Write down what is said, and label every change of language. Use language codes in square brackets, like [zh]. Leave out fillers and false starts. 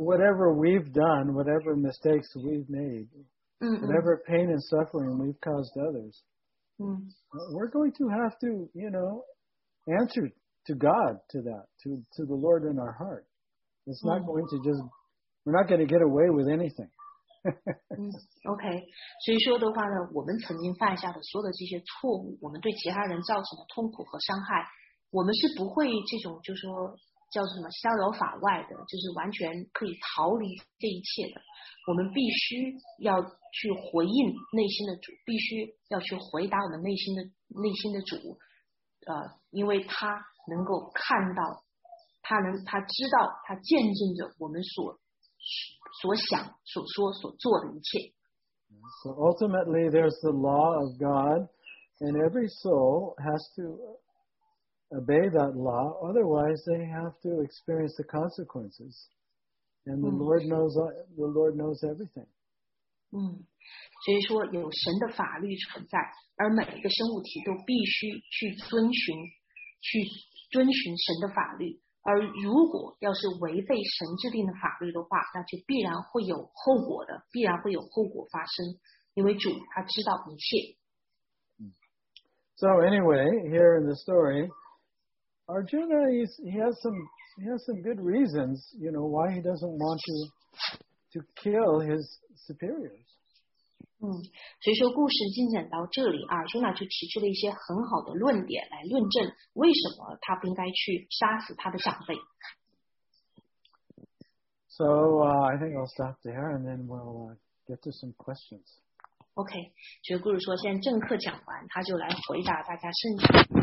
[en] Whatever we've done, whatever mistakes we've made, whatever pain and suffering we've caused others, we're going to have to, answer to God to that, to the Lord in our heart. It's not going to just, we're not going to get away with anything. okay. [zh] 所以说的话呢，我们曾经犯下的所有的这些错误，我们对其他人造成的痛苦和伤害，我们是不会这种就说叫什么逍遥法外的，就是完全可以逃离这一切的。我们必须要去回应内心的主，必须要去回答我们内心的主，因为他能够看到，他知道，他见证着我们所想、所说、所做的一切。 [en] So ultimately, there's the law of God, and every soul has to. Obey that law, otherwise they have to experience the consequences. And the Lord knows everything. [zh] 所以说有神的法律存在，而每一个生物体都必须去遵循神的法律。而如果要是违背神制定的法律的话，那就必然会有后果的，必然会有后果发生，因为主他知道一切。 [en] So anyway, here in the story,Arjuna, he has some good reasons, why he doesn't want to kill his superiors. [zh] 所以说故事进展到这里，Arjuna就提出了一些很好的论点来论证为什么他不应该去杀死他的长辈。 [en] So, I think I'll stop there and then we'll get to some questions. [zh] Okay, 所以故事说现在正课讲完，他就来回答大家剩下的。